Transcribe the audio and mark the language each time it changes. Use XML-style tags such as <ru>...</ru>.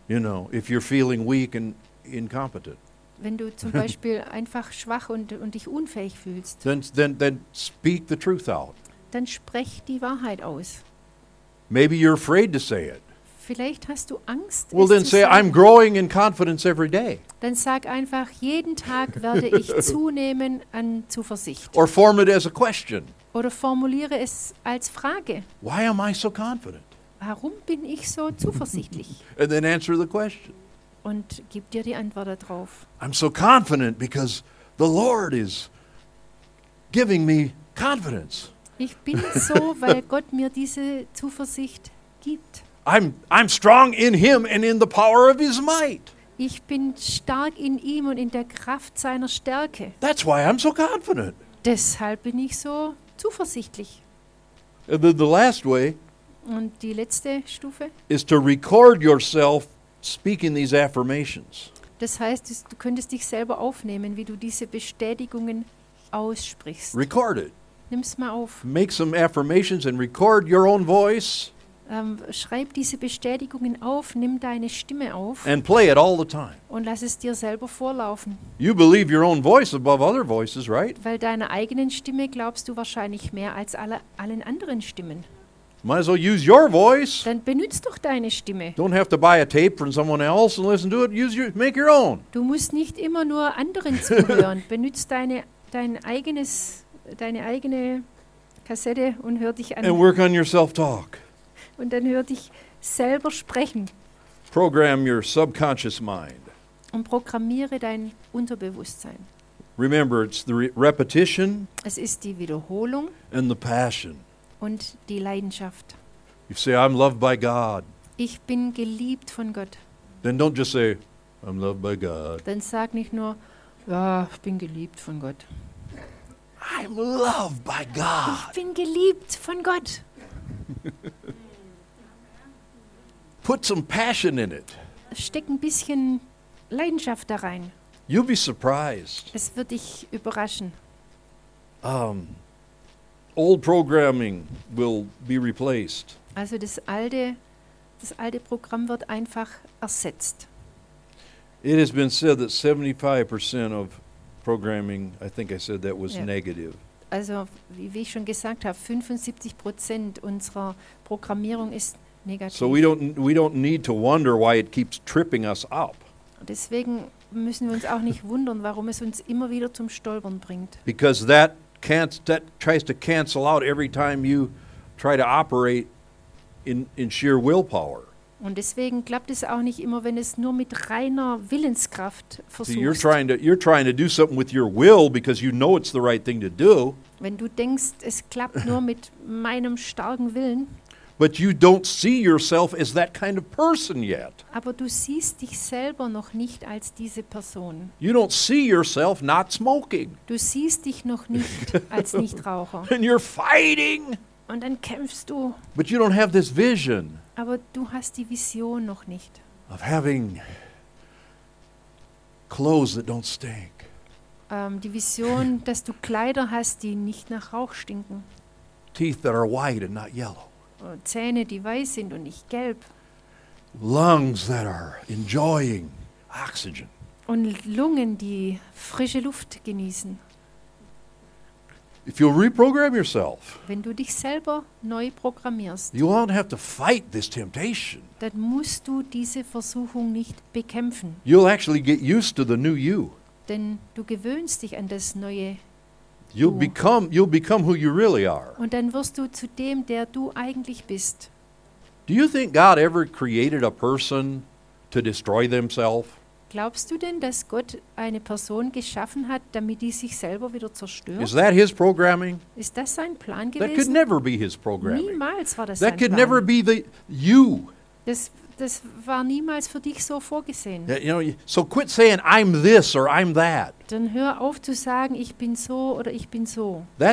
<en>You know, if you're feeling weak and incompetent.</en> <de>Wenn du zum Beispiel einfach schwach und dich unfähig fühlst,</de> <en>then speak the truth out.</en> <de>Dann sprech die Wahrheit aus.</de> <en>Maybe you're afraid to say it.</en> <de>Vielleicht hast du Angst,</de> <en>well, then say, I'm growing in confidence every day.</en> <de>Dann sag einfach, jeden Tag werde ich zunehmen an Zuversicht.</de> <en>Or form it as a question.</en> <de>Oder formuliere es als Frage.</de> <en>Why am I so confident?</en> <de>Warum bin ich so zuversichtlich?</de> <en>And then answer the question.</en> <de>Und gib dir die Antwort darauf.</de> <en>I'm so confident because the Lord is giving me confidence.</en> <de>Ich bin so, weil Gott mir diese Zuversicht gibt.</de> <en>I'm strong in him and in the power of his might.</en> <de>Ich bin stark in ihm und in der Kraft seiner Stärke.</de> <en>That's why I'm so confident.</en> <de>Deshalb bin ich so zuversichtlich.</de> <en>And then the last way</en> <de>und die letzte Stufe</de> <en>is to record yourself speaking these affirmations.</en> <de>Das heißt, du könntest dich selber aufnehmen, wie du diese Bestätigungen aussprichst.</de> <en>Record it.</en> <de>Nimm's mal auf.</de> <en>Make some affirmations and record your own voice.</en> <de>Schreib diese Bestätigungen auf, nimm deine Stimme auf.</de> <en>And play it all the time.</en> <de>Und lass es dir selber vorlaufen.</de> <en>You believe your own voice above other voices, right?</en> <de>Weil deiner eigenen Stimme glaubst du wahrscheinlich mehr als allen anderen Stimmen.</de> <en>Might as well use your voice.</en> <de>Dann benutz doch deine Stimme.</de> <en>Don't have to buy a tape from someone else and listen to it. Make your own.</en> <de>Du musst nicht immer nur anderen zuhören. Benutz deine eigene Kassette und hör dich an.</de> <en>And work on your self-talk.</en> <de>Und dann hör dich selber sprechen.</de> <en>Program your subconscious mind.</en> <de>Und programmiere dein Unterbewusstsein.</de> <en>Remember, it's the repetition.</en> <de>Es ist die Wiederholung.</de> <en>And the passion.</en> <de>Und die Leidenschaft.</de> <en>You say, I'm loved by God.</en> <de>Ich bin geliebt von Gott.</de> <en>Then don't just say, I'm loved by God.</en> <de>Dann sag nicht nur, ja, ich bin geliebt von Gott.</de> <en>I'm loved by God.</en> <de>Ich bin geliebt von Gott.</de> <en>Put some passion in it.</en> <de>Steck ein bisschen Leidenschaft da rein.</de> <en>You'll be surprised.</en> <de>Es wird dich überraschen.</de> <en>Old programming will be replaced.</en> <de>Also das alte Programm wird einfach ersetzt.</de> <en>It has been said that 75% of programming, I think I said that, was negative.</en> <de>Also wie ich schon gesagt habe, 75% unserer Programmierung ist negativ.</de> <en>So we don't need to wonder why it keeps tripping us up.</en> <de>Deswegen müssen wir uns auch nicht wundern, warum es uns immer wieder zum Stolpern bringt.</de> <en>Because that tries to cancel out every time you try to operate in sheer willpower.</en> <de>Und deswegen klappt es auch nicht immer, wenn es nur mit reiner Willenskraft versuchst.</de> <en>See, you're trying to do something with your will because you know it's the right thing to do.</en> <de>Wenn du denkst, es klappt nur mit meinem starken Willen.</de> <en>But you don't see yourself as that kind of person yet.</en> <de>Aber du siehst dich selber noch nicht als diese Person.</de> <en>You don't see yourself not smoking.</en> <de>Du siehst dich noch nicht als Nichtraucher.</de> <en>And you're fighting.</en> <de>Und dann kämpfst du.</de> <en>But you don't have this vision.</en> <de>Aber du hast die Vision noch nicht.</de> <en>Of having clothes that don't stink.</en> <de>Die Vision, dass du Kleider hast, die nicht nach Rauch stinken.</de> <en>Teeth that are white and not yellow.</en> <de>Zähne, die weiß sind und nicht gelb.</de> <en>Lungs that are enjoying oxygen.</en> <de>Und Lungen, die frische Luft genießen.</de> <en>If you'll reprogram yourself,</en> <de>wenn du dich selber neu programmierst,</de> <en>you won't have to fight this temptation.</en> <de>Dann musst du diese Versuchung nicht bekämpfen.</de> <en>You'll actually get used to the new you.</en> <de>Denn du gewöhnst dich an das neue</de> <en>You'll become who you really are.</en> <de>Und dann wirst du zu dem, der du eigentlich bist.</de> <en>Do you think God ever created a person to destroy themselves?</en> <de>Glaubst du denn, dass Gott eine Person geschaffen hat, damit die sich selber wieder zerstört?</de> <en>Is that his programming?</en> <de>Ist das sein Plan gewesen?</de> <en>That could never be his programming.</en> <de>Niemals war das sein Plan.</de> <en>That could never be the you.</en> <de>Das war niemals für dich so vorgesehen.</de> <en>You know, so quit saying I'm this or I'm that.</en> <de>Dann hör auf zu sagen, ich bin so oder ich bin so.</de>